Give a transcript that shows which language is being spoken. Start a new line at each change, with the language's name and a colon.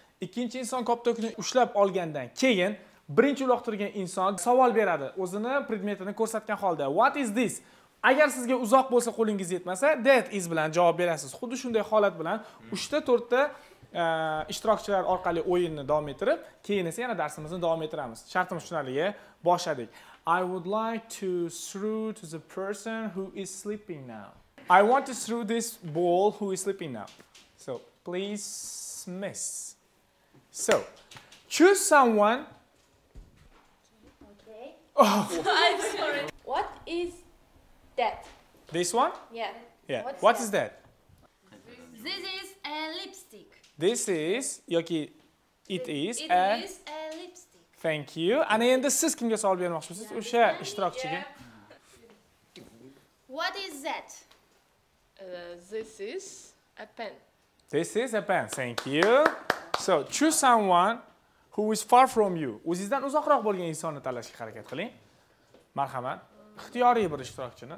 Uzbek: Ikkinchi inson koptokni ushlab olgandan keyin birinchi uloqtirgan inson savol beradi, o'zini predmetini ko'rsatgan holda.
English: What is this?
Uzbek: Agar sizga uzoq bo'lsa qo'lingiz yetmasa,
English: that is
Uzbek: bilan javob berasiz. Xuddi shunday holat bilan 3 ta 4 ta ishtirokchilar orqali o'yinni davom ettirib, keyin esa yana darsimizni davom ettiramiz. Shartimiz shunaqaligi, boshladik.
English: I would like to throw to the person who is sleeping now. I want to throw this ball who is sleeping now. So, please miss. So, choose someone. Okay. Oh. I'm sorry. What is that? This one? Yeah. Yeah. What is that? This is a lipstick. This is
Uzbek: yoki
English: it is a lipstick. Thank you.
Uzbek: Ana endi siz kimga savol bermoqchisiz? O'sha ishtirokchiga.
English: What is that? This is a pen. This is a pen. Thank you. So, choose someone who is far from you.
Uzbek: O'zingizdan uzoqroq bo'lgan insonni tanlashga harakat qiling. Marhamat. Ixtiyoriy bir ishtirokchini.